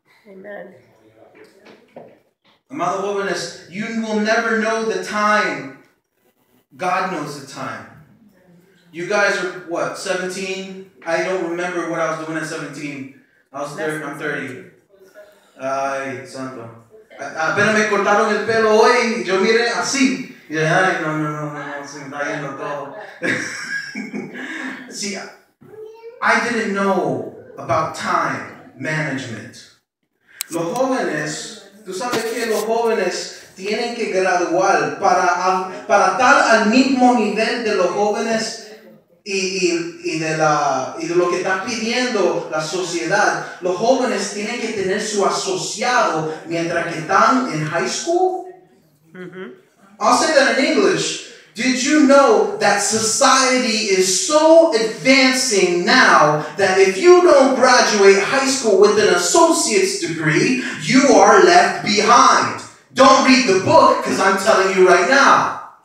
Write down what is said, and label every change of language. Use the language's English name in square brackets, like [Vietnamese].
[English] Amen. [Spanish] Amado jóvenes, [English] you will never know the time. God knows the time. You guys are, what, 17? I don't remember what I was doing at 17. I was 30. I'm 30. [Spanish] Ay, santo. Apenas me cortaron el pelo hoy, yo miré así. Yeah, ay, no, se me está yendo todo. [English] See, I didn't know about time management. [Spanish] Los jóvenes... Tú sabes que los jóvenes tienen que graduar para estar al mismo nivel de los jóvenes y de lo que está pidiendo la sociedad. Los jóvenes tienen que tener su asociado mientras que están en high school. Mm-hmm. [English] I'll say that in English. Did you know that society is so advancing now that if you don't graduate high school with an associate's degree, you are left behind? Don't read the book, because I'm telling you right now.